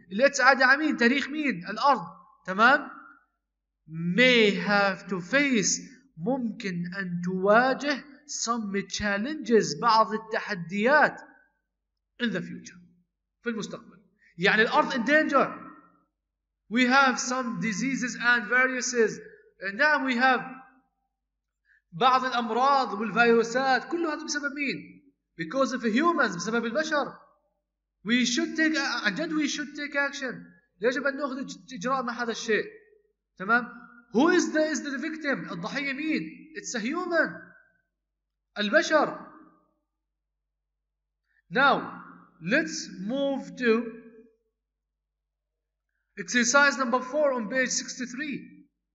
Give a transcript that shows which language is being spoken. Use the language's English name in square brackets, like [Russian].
[Arabic] Its عاد عمين تاريخ مين الأرض تمام [English] may have to face [Arabic] ممكن أن تواجه [English] some challenges [Arabic] بعض التحديات [English] in the future [Arabic] في المستقبل. يعني الأرض [English] in danger. We have some diseases and viruses. [Arabic] نعم [English] we have [Arabic] بعض الأمراض والفيروسات كل هذا بسبب مين؟ [English] Because of humans [Arabic] بسبب البشر. [English] We should take and we should take action. [Arabic] يجب أن نأخذ إجراء مع هذا الشيء. [English] تمام؟ Who is the victim؟ [Arabic] الضحية مين؟ [English] It's a human. [Arabic] البشر. [English] Now let's move to exercise number 4 on page 63.